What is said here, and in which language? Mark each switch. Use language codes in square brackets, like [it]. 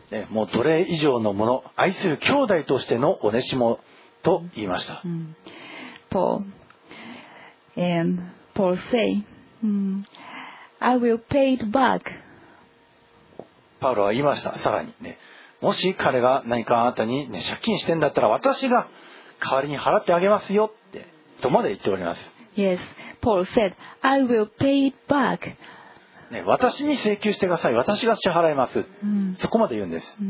[ja] もう奴隷以上のもの、愛する兄弟としてのオネシモと言いました。 [en] Paul. And Paul say, I will pay it back. [ja] パウロは言いました。さらに、ね、もし彼が何かあなたに、ね、借金してんだったら、私が代わりに払ってあげますよってとまで言っております。 [en] Yes. Paul said, I will pay it back. [ja] 私に請求してください、私が支払います、そこまで言うんです、